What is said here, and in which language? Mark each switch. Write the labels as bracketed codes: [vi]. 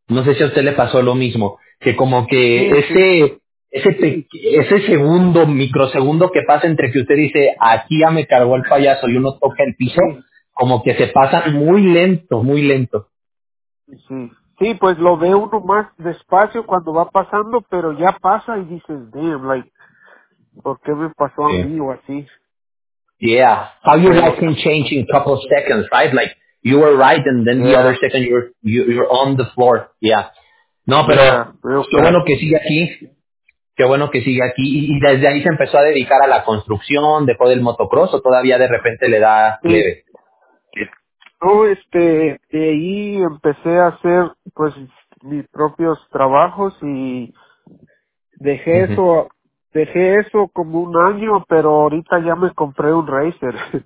[es] No sé si a usted le pasó lo mismo, que como que ese segundo, microsegundo que pasa entre que usted dice, aquí ya me cargó el payaso y uno toca el piso, como que se pasa muy lento, muy lento. Sí, pues lo ve uno más despacio cuando va pasando, pero ya pasa y dices, [en] damn, like, [es] ¿por qué me pasó a mí o así? [en] Yeah, how your life can change in a couple of seconds, right? Like, you were right, and then the other second you're on the floor, yeah. [es] No, pero qué bueno que sigue aquí, y desde ahí se empezó a dedicar a la construcción, dejó del motocross, o todavía de repente le da leve. No, de ahí empecé a hacer, pues, mis propios trabajos y dejé eso como un año, pero ahorita ya me compré un racer.